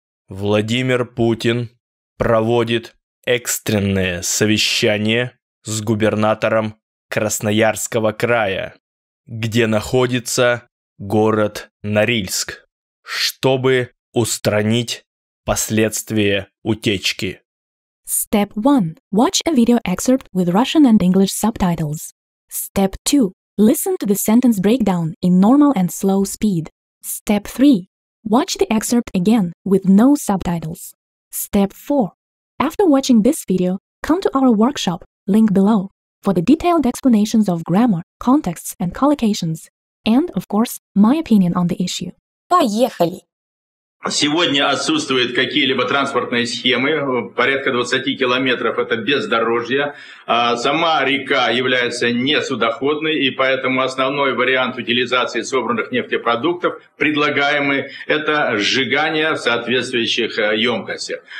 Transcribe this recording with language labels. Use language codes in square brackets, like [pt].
[ru] Владимир Путин проводит экстренное совещание с губернатором Красноярского края, где находится город Норильск, чтобы устранить последствия утечки. [en] Step 1. Watch a video excerpt with Russian and English subtitles. Step 2. Listen to the sentence breakdown in normal and slow speed. Step 3. Watch the excerpt again with no subtitles. Step 4. After watching this video, come to our workshop, link below, for the detailed explanations of grammar, contexts, and collocations, and, of course, my opinion on the issue. [ru] Поехали! Сегодня отсутствуют какие-либо транспортные схемы, порядка 20 километров это бездорожье. Сама река является несудоходной, и поэтому основной вариант утилизации собранных нефтепродуктов, предлагаемый, это сжигание в соответствующих емкостях.